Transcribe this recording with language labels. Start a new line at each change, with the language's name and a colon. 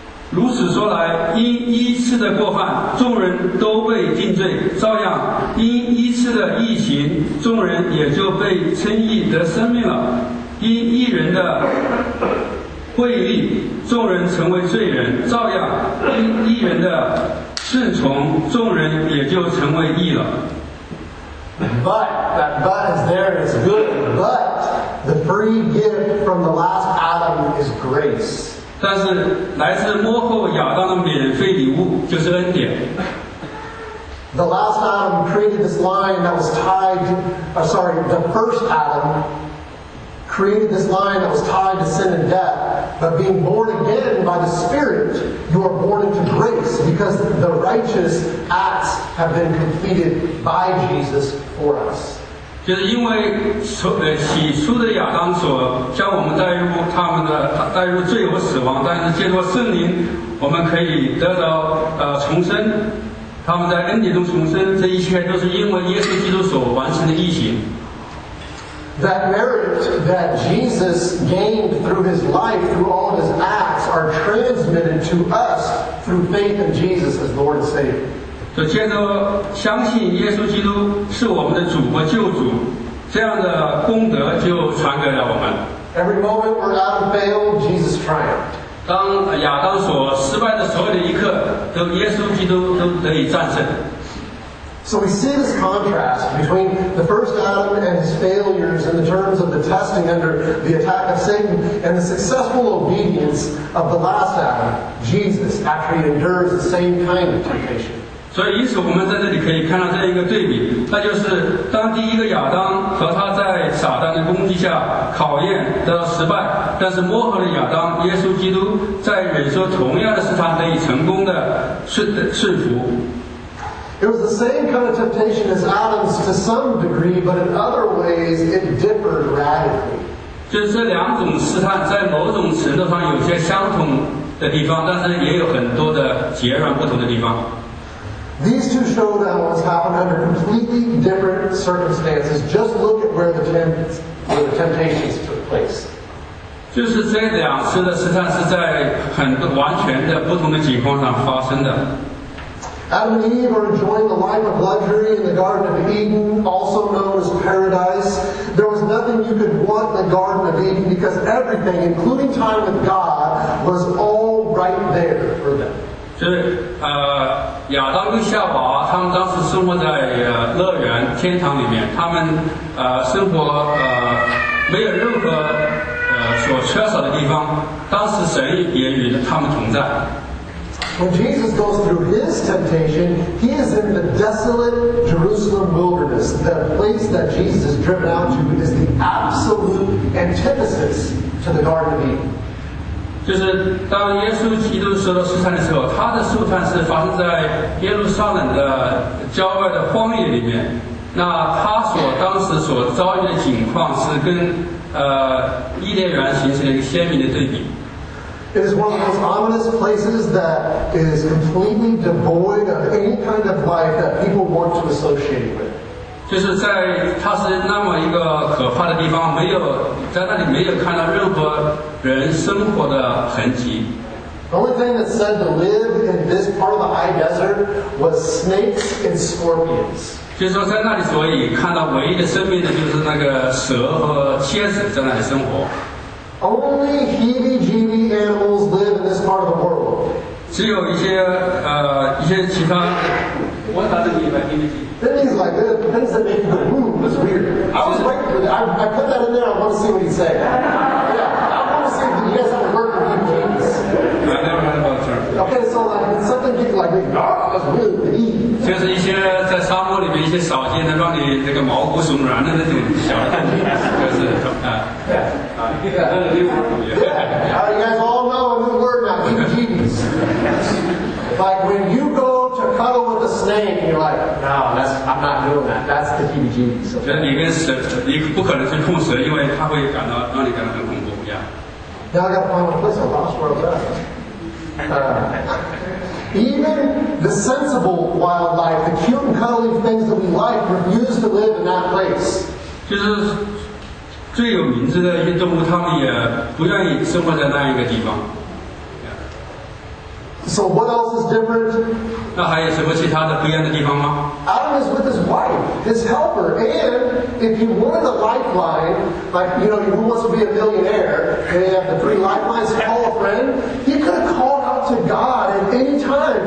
Chinese: 如此说来，因一次的过犯，众人都被定罪；照样，因一次的义行，众人也就被称义得生命了。因一人的悖逆，众人成为罪人；照样，因一人的顺从，众人也就成为义了。
English: But that but is there is good. But the free gift from the last Adam is grace.
Chinese: 但是来自末后亚当的免费礼物就是恩典。
English: The last Adam created this line that was tied, the first Adam created this line that was tied to sin and death. But being born again by the Spirit, you are born into grace because the righteous acts have been completed by Jesus for us.
Chinese: 就是因为起初的亚当所将我们带入罪和死亡，但是借助圣灵，我们可以得到重生。他们在恩典中重生，这一切都是因为耶稣基督所完成的义行。
English: That merit that Jesus gained through His life, through all of His acts, are transmitted to us through faith in Jesus as Lord and Savior.
Chinese: 就借着相信耶稣基督是我们的主和救主，这样的功德就传给了我们。
English: Every moment where Adam failed, Jesus triumphed.
Chinese: 当亚当所失败的所有的一刻，都耶稣基督都得以战胜。
English: So we see this contrast between the first Adam and his failures in the terms of the testing under the attack of Satan and the successful obedience of the last Adam, Jesus, after he endures the same kind of temptation.
Chinese: 所以，因此我们在这里可以看到这样一个对比，那就是当第一个亚当和他在撒旦的攻击下考验得到失败，但是末后的亚当耶稣基督在忍受同样的试探得以成功的顺服。
English: It was the same kind of temptation as Adam's to some degree, but in other ways it differed radically.
Chinese: 就是这两种试探在某种程度上有些相同的地方，但是也有很多的截然不同的地方。
English: These two showdowns what's happened under completely different circumstances. Just look at where the temptations took place.
Chinese: 就是这两次的试探是在很完全的不同的情况上发生的。
English: Adam and Eve are enjoying the life of luxury in the Garden of Eden, also known as paradise. There was nothing you could want in the Garden of Eden because everything, including time with God, was all right there for them.
Chinese: 就是亚当跟夏娃他们当时生活在乐园天堂里面，他们生活没有任何所缺少的地方，当时神也与他们同在。
English: When Jesus goes through his temptation, he is in the desolate Jerusalem wilderness. The place that Jesus is driven out to is the absolute antithesis to the Garden of Eden.
Chinese: 就是当耶稣基督受到试探的时候，他的试探是发生在耶路撒冷的郊外的荒野里面。那他所当时所遭遇的境况是跟伊甸园形成了一个鲜明的对比。
English: It is one of those ominous places that is completely devoid of any kind of life that people want to associate with.
Chinese: 就是在它是那么一个可怕的地方，没有在那里没有看到任何人生活的痕迹。
English: The only thing that said to live in this part of the high desert was snakes and scorpions.
Chinese: 就是说在那里，所以看到唯一的生命的就是那个蛇和蝎子在那里生活。
English: Only heebie-jeebie animals live in this part of the world.
Chinese: 只有一些其他。
English: What are the heebie-jeebie? Then he's like, the things that make the room was weird. I put that in there, I want to see what he'd say. Yeah, I want to see if he has ever worked with you, James. I never heard about the term. Okay, so like, something people like, ah, that's weird, me.
Chinese: 就是一些在沙漠里面一些少见的让你这个毛骨悚然的那种小的东西，就是
English: you guys all know a new word now, heebie-jeebies. Like when you go to cuddle with a snake, you're like, no, that's, I'm not doing that. That's the heebie-jeebies.
Chinese: 觉得你跟蛇，你不可能去碰蛇，因为它会感到让你感到很恐怖呀。
English: Now I got to find a place I lost where I was at. Even the sensible wildlife, the cute and cuddly things that we like, refuse to live in that place.
Chinese: 最有名字的一些动物, 他们也不愿意生活在那一个地方。
English: So what else is different?
Chinese: 那还有什么其他的不一样的地方吗?
English: Adam is with his wife, his helper, and if you wanted a lifeline, like, you know, who wants to be a millionaire, and you have the three lifelines to call a friend, he could have called out to God at any time.